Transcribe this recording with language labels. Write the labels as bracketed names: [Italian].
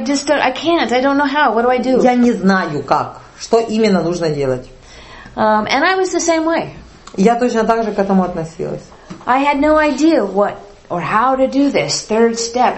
[English] I don't know how. What do I do? [Russian] Я не знаю как. Что именно нужно делать? [English] And I was the same way. [Russian] Я точно так же к этому относилась. [English] I had no idea what or how to do this third step.